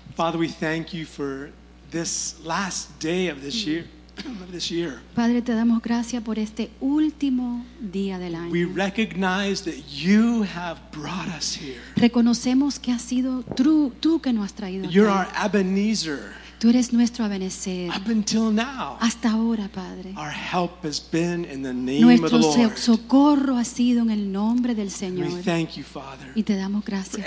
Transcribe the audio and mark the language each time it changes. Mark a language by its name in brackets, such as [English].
[English] Father, we thank you for this last day of this year. [Spanish] Padre, te damos gracias por este último día del año. [English] We recognize that you have brought us here. [Spanish] Reconocemos que has sido tú que nos has traído aquí. [English] You're our Ebenezer. [Spanish] Tú eres nuestro Ebenezer. [English] Up until now. [Spanish] Hasta ahora, Padre. [English] Our help has been in the name [Spanish] nuestro [English] of the Lord. [Spanish] Socorro ha sido en el nombre del Señor. [English] We thank you, Father. [Spanish] Y te damos gracias,